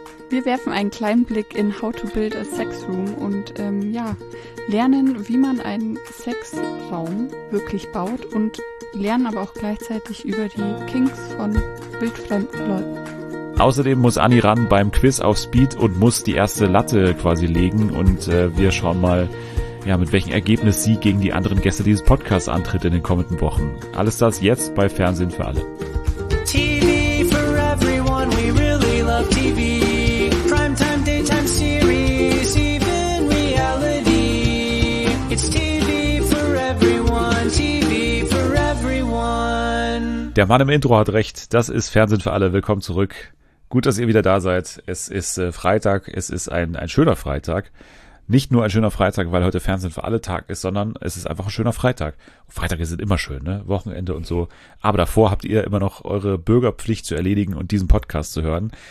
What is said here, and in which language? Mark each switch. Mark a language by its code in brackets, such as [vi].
[de] Wir werfen einen kleinen Blick in How to Build a Sex Room und lernen, wie man einen Sexraum wirklich baut und lernen aber auch gleichzeitig über die Kinks von wildfremden Leuten. Außerdem muss Anni ran beim Quiz auf Speed und muss die erste Latte quasi legen und wir schauen mal, ja, mit welchem Ergebnis sie gegen die anderen Gäste dieses Podcasts antritt in den kommenden Wochen. Alles das jetzt bei Fernsehen für alle. [en] TV for everyone, we really love TV. Primetime, daytime series, even reality. It's TV for everyone, TV for everyone. [de] Der Mann im Intro hat recht, das ist Fernsehen für alle. Willkommen zurück. Gut, dass ihr wieder da seid. Es ist Freitag, es ist ein schöner Freitag. Nicht nur ein schöner Freitag, weil heute Fernsehen für alle Tag ist, sondern es ist einfach ein schöner Freitag. Freitage sind immer schön, ne? Wochenende und so. Aber davor habt ihr immer noch eure Bürgerpflicht zu erledigen und diesen Podcast zu hören.